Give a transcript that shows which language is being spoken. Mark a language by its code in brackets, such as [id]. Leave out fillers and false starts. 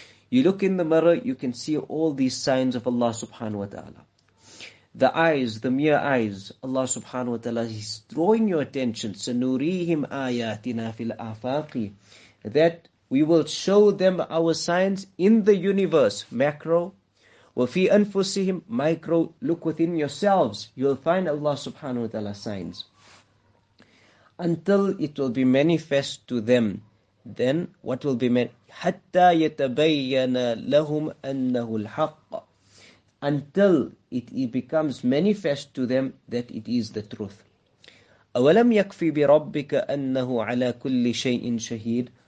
[en] You look in the mirror, you can see all these signs of Allah subhanahu wa ta'ala. The eyes, the mere eyes, Allah subhanahu wa ta'ala is drawing your attention. [ar] سَنُرِيهِمْ آيَاتِنَا فِي الْآفَاقِ, [en] that we will show them our signs in the universe, macro. [ar] وَفِي أَنفُسِهِمْ, micro. [en] Look within yourselves. You'll find Allah subhanahu wa ta'ala signs. Until it will be manifest to them, then what will be meant? [ar] حَتَّى يَتَبَيَّنَ لَهُمْ أَنَّهُ الْحَقَّ. [en] Until it becomes manifest to them that it is the truth. [ar] أَوَلَمْ يَكْفِي بِرَبِّكَ أَنَّهُ عَلَى كُلِّ شَيْءٍ شَهِيدٍ.